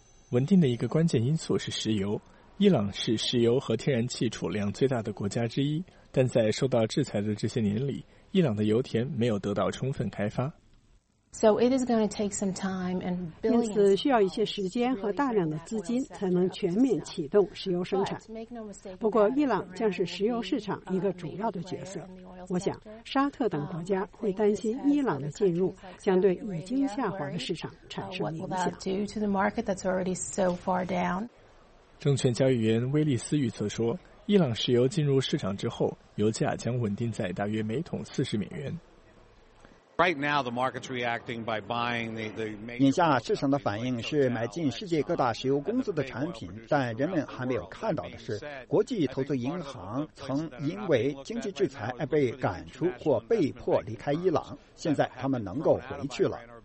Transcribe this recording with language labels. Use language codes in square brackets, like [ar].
[zh] 稳定的一个关键因素是石油，伊朗是石油和天然气储量最大的国家之一，但在受到制裁的这些年里，伊朗的油田没有得到充分开发。 [en] So it is going to take some time and billions. [zh] 因此需要一些时间和大量的资金才能全面启动石油生产。不过，伊朗将是石油市场一个主要的角色。我想，沙特等国家会担心伊朗的进入将对已经下滑的市场产生影响。 [en] Due to the market that's already so far down. [zh] 证券交易员威利斯预测说，伊朗石油进入市场之后，油价将稳定在大约每桶40美元。 [en] Right now, the market's reacting by buying the. [zh] 眼下市场的反应是买进世界各大石油公司的产品，但人们还没有看到的是，国际投资银行曾因为经济制裁而被赶出或被迫离开伊朗，现在他们能够回去了。